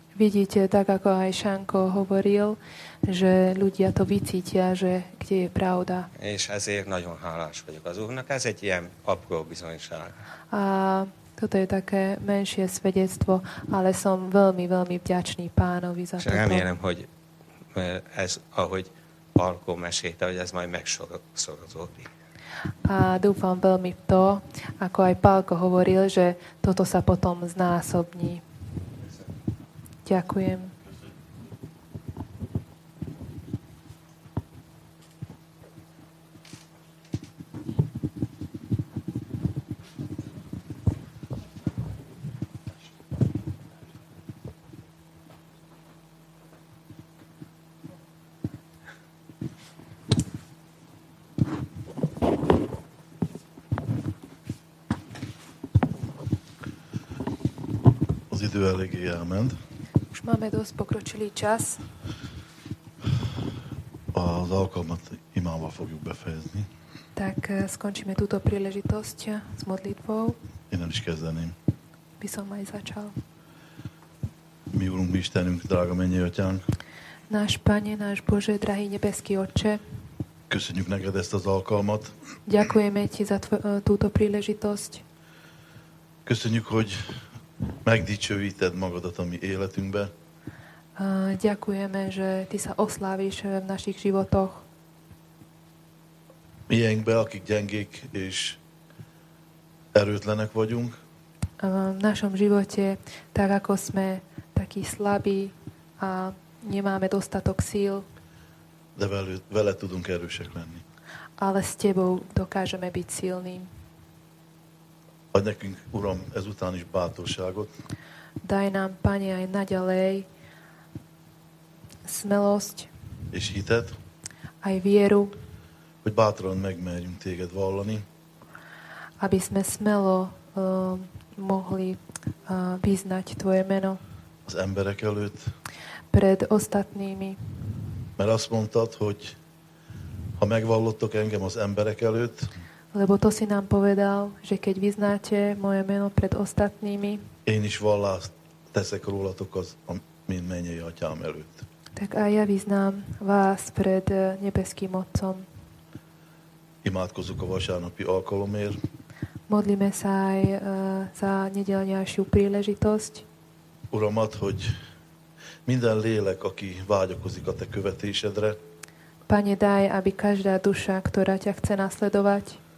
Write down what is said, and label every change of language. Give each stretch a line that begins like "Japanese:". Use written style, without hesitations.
Slovak: Vidíte, tak ako aj Sánko hovoril, že ľudia to vycítia, že kde je pravda.
Hungarian: És ezért nagyon hálás vagyok az Úrnak. Ez egy ilyen apró bizonyság.
Slovak: A toto je také menšie svedectvo, ale som veľmi, veľmi vďačný pánovi za toto.
Hungarian: Remélem, hogy ez, ahogy Palko mesélte, hogy ez majd megsorozódik.
Slovak: A dúfam veľmi v to, ako aj Palko hovoril, že toto sa potom znásobní. Ďakujem.
Hungarian: Eléggé elment. Most már
Slovak: dosť pokročilý čas.
Hungarian: Az alkalmat imával fogjuk befejezni.
Slovak: Tak skončíme túto príležitosť s modlitbou.
Hungarian: Én nem is kezdeném. Viszont majd začal. Mi Úrunk, mi Istenünk, drága mennyi Atyánk.
Slovak: Náš Panie, náš Bože, drahý nebeský Otče.
Hungarian: Köszönjük neked ezt az alkalmat.
Slovak: Ďakujeme ti za túto príležitosť.
Hungarian: Köszönjük, hogy megdicsőíted magadat a mi életünkbe.
Slovak: Ďakujeme, že ty sa oslávíš v našich životoch.
Hungarian: Miénkbe, akik gyengék és erőtlenek vagyunk.
Slovak: V našom živote, tak ako sme takí slabí a nemáme dostatok síl.
Hungarian: De vele tudunk erősek lenni.
Slovak: Ale s tebou dokážeme byť silným.
Hungarian: Adj nekünk, Uram, ezután is bátorságot.
Slovak: Daj nám, Pane, aj naďalej smelosť.
Hungarian: És hitet.
Slovak: Aj vieru.
Hungarian: Hogy bátran megmerjünk téged vallani.
Slovak: Aby sme smelo mohli vyznať tvoje meno.
Hungarian: Az emberek előtt.
Slovak: Pred ostatnými.
Hungarian: Mert azt mondtad, hogy ha megvallottok engem az emberek előtt,
Slovak: lebo to si nám povedal, že keď vyznáte moje meno pred ostatnými,
Hungarian: én is vallást teszek rólatok az a mind mennyei atyám előtt.
Slovak: Tak aj ja vyznám vás pred nebeským otcom.
Hungarian: Imádkozok a vasárnapi alkalomért.
Slovak: Modlíme sa aj za nedeľnejšiu príležitosť.
Hungarian: Uram, add, hogy minden lélek, aki vágyakozik a te követésedre,
Slovak: Pane, daj, aby každá duša, ktorá ťa chce nasledovať,